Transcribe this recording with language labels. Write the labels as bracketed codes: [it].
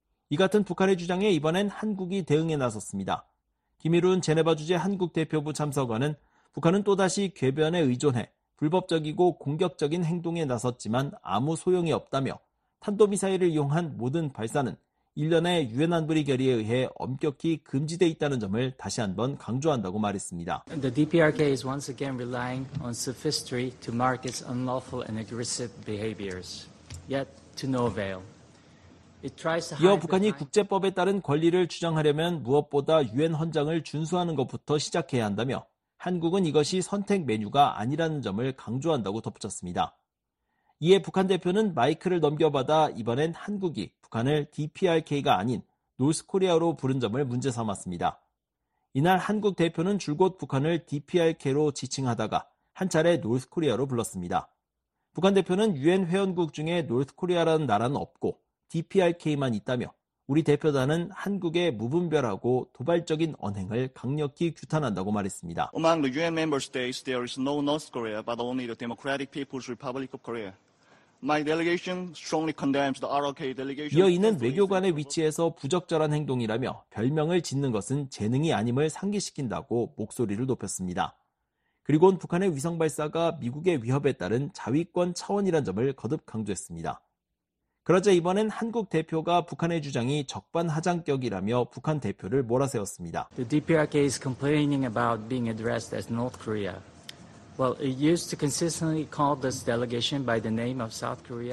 [ko] 이 같은 북한의 주장에 이번엔 한국이 대응에 나섰습니다. 김일훈 제네바 주재 한국 대표부 참석관은 북한은 또다시 궤변에 의존해 불법적이고 공격적인 행동에 나섰지만 아무 소용이 없다며 탄도미사일을 이용한 모든 발사는 1년의 유엔 안보리 결의에 의해 엄격히 금지돼 있다는 점을 다시 한번 강조한다고 말했습니다. [en] The DPRK is once again relying on sophistry to mark its unlawful and aggressive behaviors, yet to no avail. It tries to. [ko] 이어 북한이 국제법에 따른 권리를 주장하려면 무엇보다 유엔 헌장을 준수하는 것부터 시작해야 한다며 한국은 이것이 선택 메뉴가 아니라는 점을 강조한다고 덧붙였습니다. 이에 북한 대표는 마이크를 넘겨받아 이번엔 한국이 북한을 DPRK가 아닌 노스코리아로 부른 점을 문제 삼았습니다. 이날 한국 대표는 줄곧 북한을 DPRK로 지칭하다가 한 차례 노스코리아로 불렀습니다. 북한 대표는 유엔 회원국 중에 노스코리아라는 나라는 없고 DPRK만 있다며 우리 대표단은 한국의 무분별하고 도발적인 언행을 강력히 규탄한다고 말했습니다. [en] Among the UN member states, there is no North Korea, but only the Democratic People's Republic of Korea. My delegation strongly condemns the ROK delegation. [ko] 이어 이는 외교관의 위치에서 부적절한 행동이라며 별명을 짓는 것은 재능이 아님을 상기시킨다고 목소리를 높였습니다. 그리고는 북한의 위성 발사가 미국의 위협에 따른 자위권 차원이란 점을 거듭 강조했습니다. 그러자 이번엔 한국 대표가 북한의 주장이 적반하장격이라며 북한 대표를 몰아세웠습니다. [en] The DPRK is complaining about being addressed as North Korea. Well, it used to consistently call this delegation by the name of South Korea.